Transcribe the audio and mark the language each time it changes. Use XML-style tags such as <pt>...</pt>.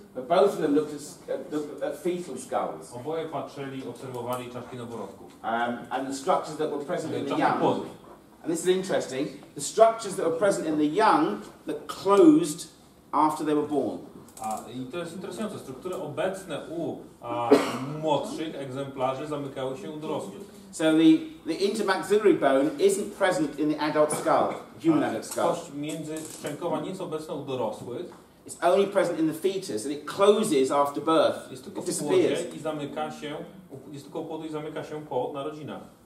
<en>But both of them looked at fetal skulls.</en> <pl>Oboje patrzyli, obserwowali czaszki noworodków.</pl> <en>And the structures that were present in the young. And this is interesting. The structures that were present in the young that closed after they were born.</en> <pl>I to jest interesujące. Struktury obecne u młodszych egzemplarzy zamykały się u dorosłych.</pl> <en>So the intermaxillary bone isn't present in the adult skull, human adult skull.</en> <pl>Kość międzyszczękowa nie jest obecna u dorosłych.</pl> <en>It's only present in the fetus and it closes after birth.</en> <pl>Jest tylko w płodzie i zamyka się, jest tylko u płodu i zamyka się po narodzinach.</pl>